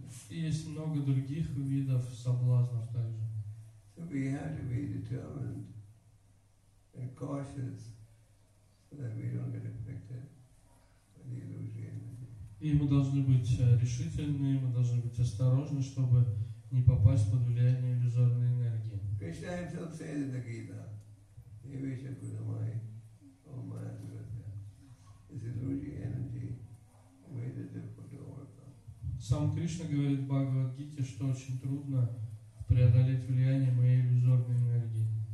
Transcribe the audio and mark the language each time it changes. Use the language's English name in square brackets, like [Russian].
[Russian] И есть много других видов соблазнов также. [English] So we have to be determined and cautious so that we don't get affected by the illusion. [Russian] И мы должны быть решительны, мы должны быть осторожны, чтобы не попасть под влияние иллюзорной энергии. [English] Krishna himself says in the Gita, Yevesha Kudamai, O Maya Durasya, this illusory energy made it difficult to overcome. [Russian] Сам Кришна говорит в Бхагавад-гите, что очень трудно преодолеть влияние моей иллюзорной энергии.